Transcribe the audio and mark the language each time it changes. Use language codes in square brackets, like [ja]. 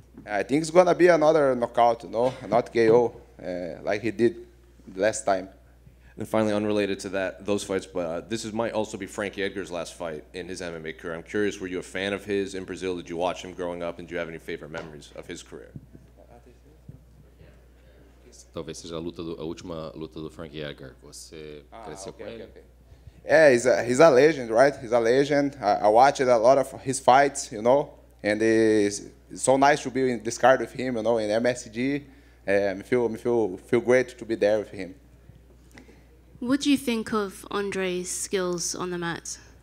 [en] I think it's going to be another knockout, you know, not KO like he did last time. And finally, unrelated to that, those fights, but this might also be Frankie Edgar's last fight in his MMA career. I'm curious, were you a fan of his in Brazil? Did you watch him growing up? And do you have any favorite memories of his career? [pt] Talvez seja a última luta do Frankie Edgar. Você cresceu com ele? [en] Yeah, he's a legend, right? He's a legend. I watched a lot of his fights, you know, and it's so nice to be in this card with him, you know, in MSG. I feel great to be there with him. What do you think of Andre's skills on the mat?